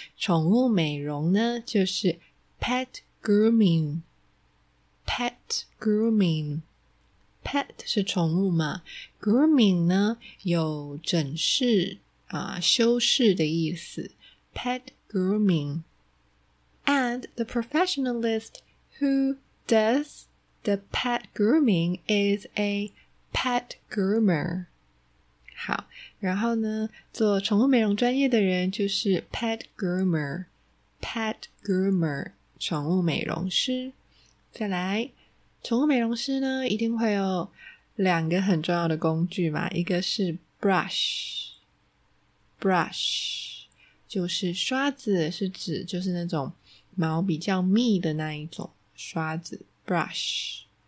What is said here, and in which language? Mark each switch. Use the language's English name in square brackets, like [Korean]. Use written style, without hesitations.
[Chinese] 宠物美容呢，就是 pet grooming。 [English] pet grooming。 [Chinese] pet 是宠物嘛， grooming 呢，有整饰啊、修饰的意思。 [English] pet grooming。 And the professionalist who does the pet grooming is a pet groomer. [Chinese] 好，然后呢，做宠物美容专业的人就是 pet groomer. Pet groomer， 宠物美容师。再来，宠物美容师呢，一定会有两个很重要的工具嘛，一个是 brush， 就是刷子，是指就是那种毛比较密的那一种刷子 brush。